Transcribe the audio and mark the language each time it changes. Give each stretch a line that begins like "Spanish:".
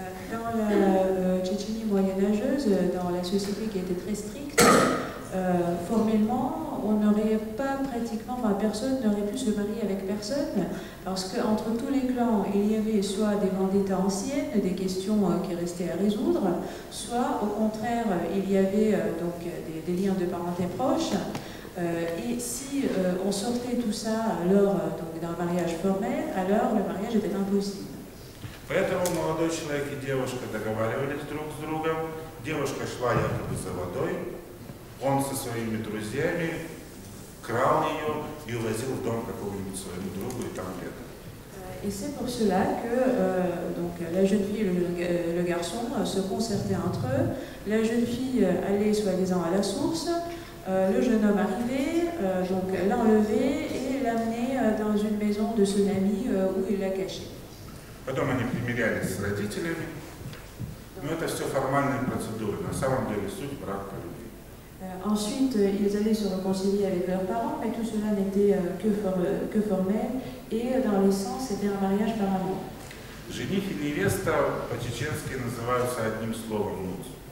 French: Dans la Tchétchénie moyenâgeuse, dans la société qui était très stricte, formellement, on n'aurait pas pratiquement, personne n'aurait pu se marier avec personne, parce qu'entre tous les clans, il y avait soit des vendettas anciennes, des questions qui restaient à résoudre, soit au contraire, il y avait donc des liens de parenté proches. Et si on sortait tout ça d'un mariage formel, alors le mariage était impossible.
Russian: Поэтому молодой человек и девушка договаривались друг с другом. Девушка шла якобы за водой, он со своими друзьями крал ее и увозил в дом какому-нибудь своему другу и там где-то. И
French: c'est pour cela que donc la jeune fille et le garçon se concertaient entre eux. La jeune fille allait soi-disant à la source, le jeune homme arrivait, donc l'enlevait et l'amenait dans une maison de son ami où il l'a cachée.
Russian: Потом они примирялись с родителями. Но это все формальные процедуры. На самом деле суть брак по любви.
French: Ensuite, ils allaient se réconcilier avec leurs parents, mais tout cela n'était que formel, et dans l'essence, c'était un mariage par amour.
Russian: Жених и невеста по-чеченски называются одним словом муж.